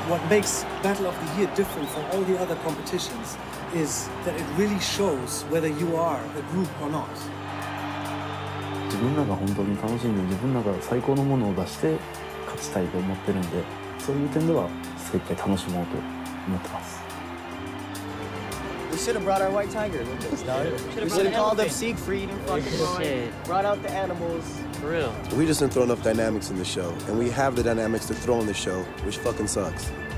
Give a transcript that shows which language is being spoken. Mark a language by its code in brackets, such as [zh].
[en] makes Battle of the Year different from all the other competitions is that it really shows whether you are a group or not. [ja] 自分らが本当に楽しんで自分らが最高のものを出して勝ちたいと思ってるんで、そういう点では精一杯楽しもうと思ってます。 [en] We should have brought our white tiger with us, dog. We should have called up Siegfried and fucking brought out the animals. For real. We just didn't throw enough dynamics in the show, and we have the dynamics to throw in the show, which fucking sucks.